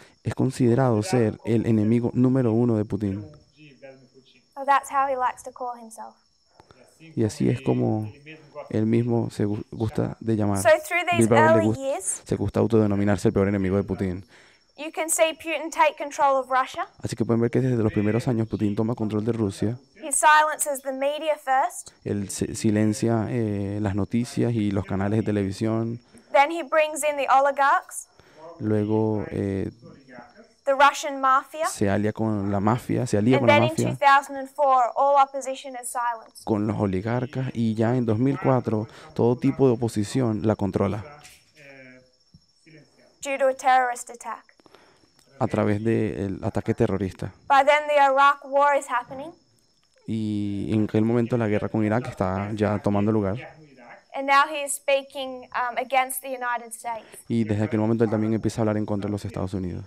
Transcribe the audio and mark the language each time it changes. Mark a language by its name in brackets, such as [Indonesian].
[Spanish] Es considerado ser el enemigo número uno de Putin. [English] Oh, that's how he likes to call himself. [Spanish] Y así es como él mismo se gusta de llamar. [English] So through these early years, [Spanish] se gusta autodenominarse el peor enemigo de Putin. [English] You can see Putin take control of Russia. [Spanish] Así que pueden ver que desde los primeros años Putin toma control de Rusia. [English] He silences the media first. [Spanish] Él silencia las noticias y los canales de televisión. [English] Then he brings in the oligarchs. [Spanish] Luego [English] the Russian mafia. [Spanish] Se alía con la mafia, se alía [English] and [Spanish] con la mafia. [English] And then in 2004, all opposition is silenced. [Spanish] Con los oligarcas y ya en 2004 todo tipo de oposición la controla. [English] Due to a terrorist attack. [Spanish] A través del ataque terrorista. [English] By then the Iraq war is happening. [Spanish] Y en aquel momento la guerra con Irak está ya tomando lugar. [English] And now he is speaking against the United States. [Spanish] Y desde aquel momento él también empieza a hablar en contra de los Estados Unidos.